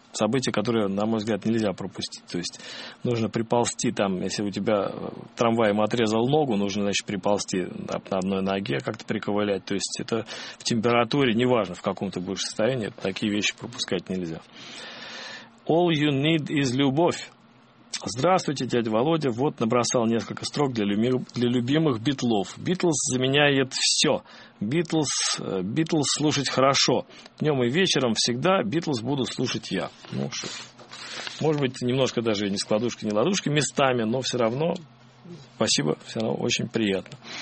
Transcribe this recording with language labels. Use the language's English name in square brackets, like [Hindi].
[Russian] События, которые, на мой взгляд, нельзя пропустить. То есть нужно приползти там, если у тебя трамваем отрезал ногу, нужно, значит, приползти на одной ноге, как-то приковылять. То есть это в температуре, неважно, в каком ты будешь состоянии, такие вещи пропускать нельзя. [English] All you need is [Russian] любовь. Здравствуйте, дядя Володя. Вот набросал несколько строк для любимых битлов. Битлз заменяет все. Битлз слушать хорошо. Днем и вечером всегда Битлз буду слушать я. Ну, что? Может быть, немножко даже не складушки, не ладушки местами, но все равно спасибо, все равно очень приятно.